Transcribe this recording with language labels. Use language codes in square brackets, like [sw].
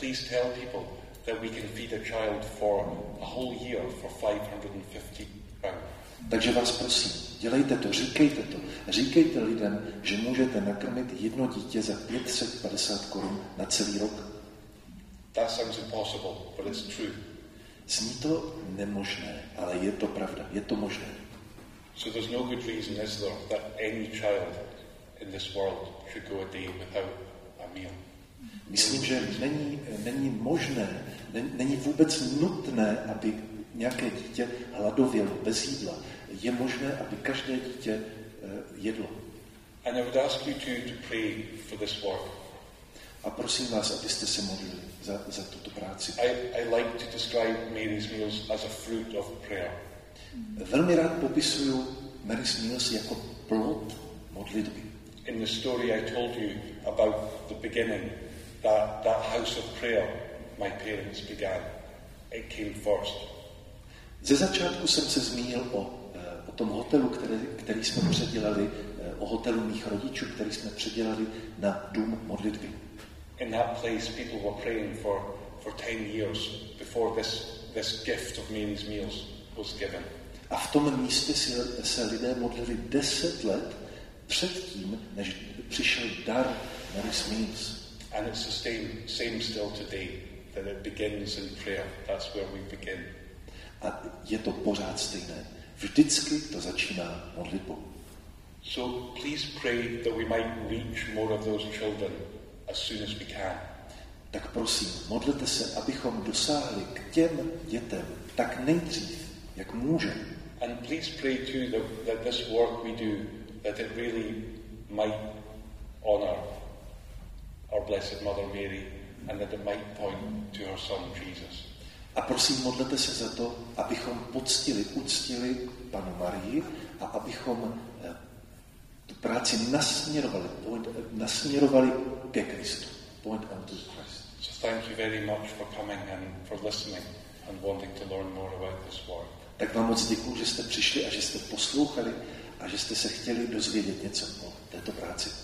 [en] Please tell people that we can feed a child for a whole year for 550 pounds. [cs] Takže vás prosím, dělejte to, říkejte to. Říkejte lidem, že můžete nakrmit jedno dítě za 550 korun na celý rok. [en] That sounds impossible, but it's true. [cs] Zní to nemožné, ale je to pravda, je to možné. [en] So there's no good reason, is there, that any child in this world should go a day without a meal. [cs] Myslím, že není možné, není vůbec nutné, aby nějaké dítě hladovělo bez jídla. je možné, aby každé dítě jedlo. [en] And I would ask you to pray for this work. [cs] A prosím vás, abyste se modlili za tuto práci. [en] I like to describe Mary's meals as a fruit of prayer. [cs] Velmi rád popisuju Mary's meals jako plod modlitby. [en] In the story I told you about the beginning, that house of prayer my parents began, it came first. [cs] Ze začátku jsem se zmínil o tom hotelu, který jsme předělali, o hotelu mých rodičů, který jsme předělali na dům modlitby. [en] In that place people were praying for 10 years before this gift of Mary's meals was given. [cs] A v tom místě se lidé modlili 10 let předtím, než přišel dar Mary's meals. [en] And it's the same still today, that it begins in prayer. That's where we begin. [cs] A je to pořád stejné. Vždycky to začíná modlitbou. [en] So please pray that we might reach more of those children as soon as we can. [cs] Tak prosím, modlete se, abychom dosáhli k těm dětem tak nejdřív, jak můžeme. [en] And please pray too that this work we do, that it really might honor our Blessed Mother Mary and that it might point to her Son Jesus. [cs] A prosím, modlete se za to, abychom uctili Panu Marii a abychom tu práci nasměrovali ke Kristu. [en] Point on to Christ. So thank you very much for coming and for listening and wanting to learn more about this work. [cs] Tak vám moc děkuju, že jste přišli a že jste poslouchali a že jste se chtěli dozvědět něco o této práci.